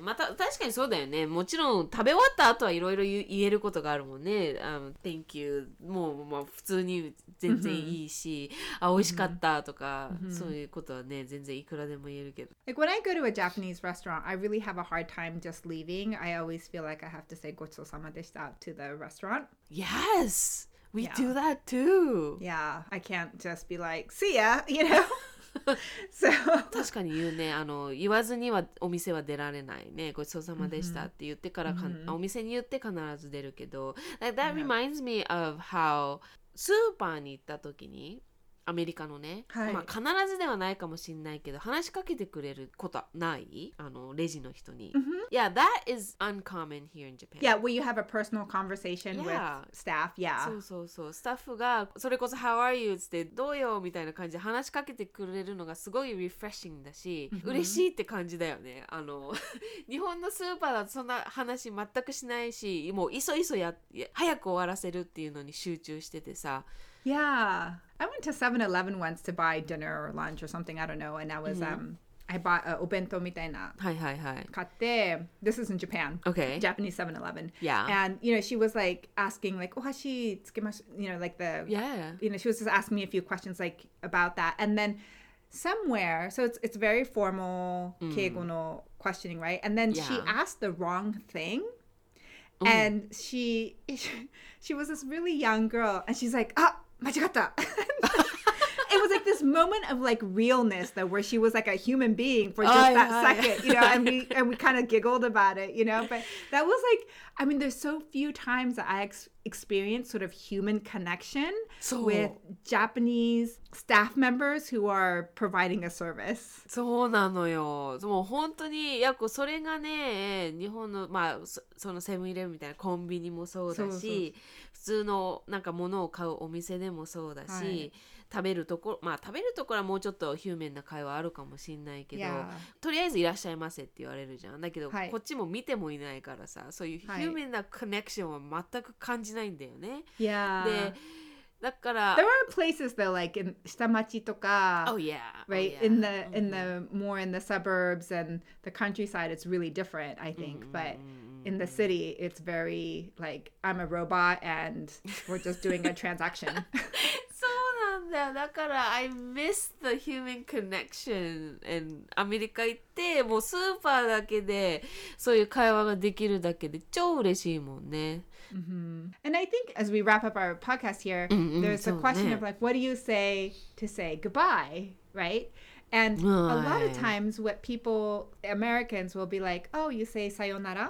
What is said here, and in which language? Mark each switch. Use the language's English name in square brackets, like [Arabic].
[Japanese] また確かにそうだよね。もちろん食べ終わった後はいろいろ言えることがあるもんね。 [English] Thank you. [Japanese] もう、まあ、普通に全然いいし、あ、美味しかったとか、そういうことはね、全然いくらでも言えるけど。 [English] Like when I go to a Japanese restaurant, I really have a hard time just leaving. I always feel like I have to say ごちそうさまでした to the restaurant. Yes! We、yeah. do that too! Yeah, I can't just be like, see ya! You know? So, [Japanese] 確かに言うね。あの、言わずにはお店は出られないね。ごちそうさまでしたって言ってからか、mm-hmm. お店に言って必ず出るけど。 [English] Like, that reminds me of how [Japanese] スーパーに行った時に、アメリカのね、はい、まあ必ずではないかもしれないけど、話しかけてくれることない？あの、レジの人に。 [English] Mm-hmm. Yeah, that is uncommon here in Japan. Yeah, where you have a personal conversation、yeah. with staff, yeah. [Japanese] そうそうそう。スタッフが、それこそ [English] How are you? [Japanese] ってどうよみたいな感じで話しかけてくれるのがすごい refreshing だし、mm-hmm. 嬉しいって感じだよね。あの、日本のスーパーだとそんな話全くしないし、もういそいそ早く終わらせるっていうのに集中しててさ。 [English] Yeah. I went to 7-Eleven once to buy dinner or lunch or something, I don't know, and I was,、mm-hmm. I bought a obento みたいな。 [Japanese] はいはいはい。 [English] 買って、this is in Japan. Okay. Japanese 7-Eleven. Yeah. And, you know, she was like asking like, [Japanese] お箸つけましょ、 [English] you know, like the, yeah. You know, she was just asking me a few questions like about that. And then somewhere, so it's very formal 敬語の questioning, right? And then、yeah. she asked the wrong thing. And she was this really young girl, and she's like, ah, 間違った It was like this moment of like realness, though, where she was like a human being for just that second, you know, and we kind of giggled about it, you know, but that was like, I mean, there's so few times that I experience sort of human connection with Japanese staff members who are providing a service. [Japanese] そうなのよ。もう本当にやっぱそれがね、日本のまあそのセブンイレブンみたいなコンビニもそうだし、普通のなんか物を買うお店でもそうだし、食べるところまあ食べるところはもうちょっとヒューマンな会話あるかもしれないけど、とりあえずいらっしゃいませって言われるじゃん。だけどこっちも見てもいないからさ、そういうヒューマンなコネクションは全く感じないんだよね。 [English] Yeah. [Japanese] で、だから、 [English] There are places though, like in 下町とか、 Oh yeah, right oh, yeah. in the more in the suburbs and the countryside, it's really different, I think.、Mm-hmm. But in the city, it's very like I'm a robot and we're just doing a transaction. [Japanese] そうなんだよ。だから [English] I miss the human connection. [Japanese] And アメリカ行ってもうスーパーだけでそういう会話ができるだけで超嬉しいもんね。 [English] Mm-hmm. And I think as we wrap up our podcast here, there's a question of like, what do you say to say goodbye, right? And a lot of times what people, Americans will be like, oh, you say sayonara.